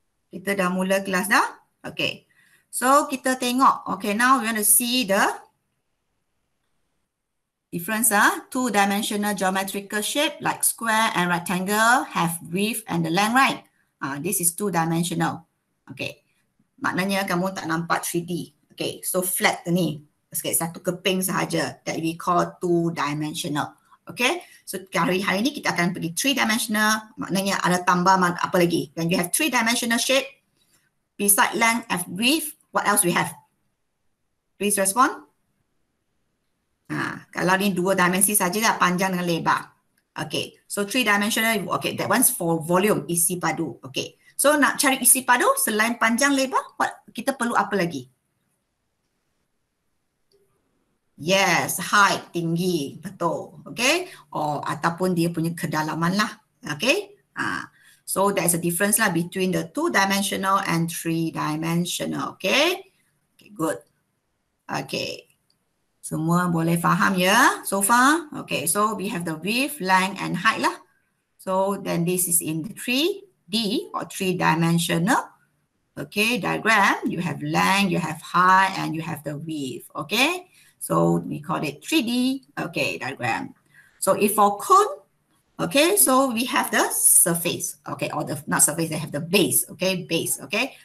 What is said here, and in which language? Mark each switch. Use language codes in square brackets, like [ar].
[ms] Kita dah mula kelas dah. Okay. So kita tengok. [en] Okay, now we want to see the difference. Two-dimensional geometrical shape like square and rectangle have width and the length, right? This is two-dimensional. Okay. [ms] Maknanya kamu tak nampak 3D. Okay, so flat ni. Okay, satu keping sahaja [en] that we call two-dimensional. [ms] Okay, so hari-hari ni kita akan pergi three-dimensional. Maknanya ada tambah apa lagi? [en] When you have three-dimensional shape, beside length and width, what else we have? Please respond. [ms] Kalau ni dua dimensi sahaja lah, panjang dengan lebar. [en] Okay, so three-dimensional, okay, that one's for volume, [ms] isi padu. Okay, so nak cari isi padu selain panjang lebar, what kita perlu apa lagi? Yes, height, tinggi, betul. Okay, or ataupun dia punya kedalaman lah. [en] Okay, so there's a difference lah between the two-dimensional and three-dimensional. Okay, okay, good. [ms] Okay, semua boleh faham ya, [en] so far. Okay, so we have the width, length and height lah. So then this is in the 3D or three-dimensional. Okay, diagram, you have length, you have height and you have the width. Okay. So we call it 3D, okay, diagram. So if for cone, okay, so we have the surface, okay, or the, not surface, they have the base, okay, base, okay.